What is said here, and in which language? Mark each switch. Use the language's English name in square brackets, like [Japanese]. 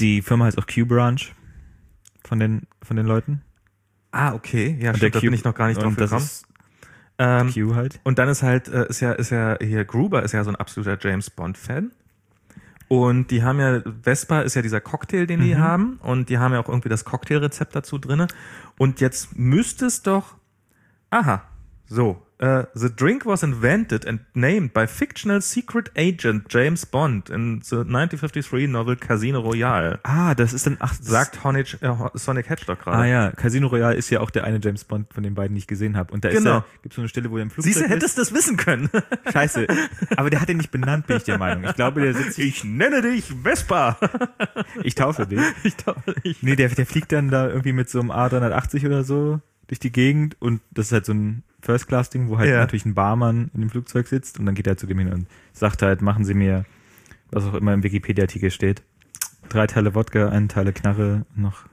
[German] Die Firma heißt auch Q-Branch von den Leuten. Ah, okay, ja, stimmt, da bin ich noch gar nicht drauf gekommen. Q halt. Und dann ist halt, ist ja hier Gruber, ist ja so ein absoluter James Bond-Fan. Und die haben ja, Vespa ist ja dieser Cocktail, den die haben. Und die haben ja auch irgendwie das Cocktailrezept dazu drin. Und jetzt müsste es doch, [English] the drink was invented and named by fictional secret agent James Bond in the 1953 novel Casino Royale. [German] Ah, das ist dann, sagt Sonic Hedgehog gerade. Ah ja, Casino Royale ist ja auch der eine James Bond von den beiden, die ich gesehen habe. Und da gibt es so eine Stelle, wo er im Flugzeug ist. Siehst du, hättest das wissen können. Scheiße, aber der hat ihn nicht benannt, bin ich der Meinung. Ich glaube, der sitzt hier. Ich nenne dich Vespa. Ich taufe dich. Ich taufe dich. Nee, der fliegt dann da irgendwie mit so einem A380 oder so durch die Gegend und das ist halt so ein First-Class-Ding, wo halt natürlich ein Barmann in dem Flugzeug sitzt und dann geht er zu dem hin und sagt halt, machen Sie mir, was auch immer im Wikipedia-Artikel steht, 3 Teile Wodka, 1 Teil Knarre noch.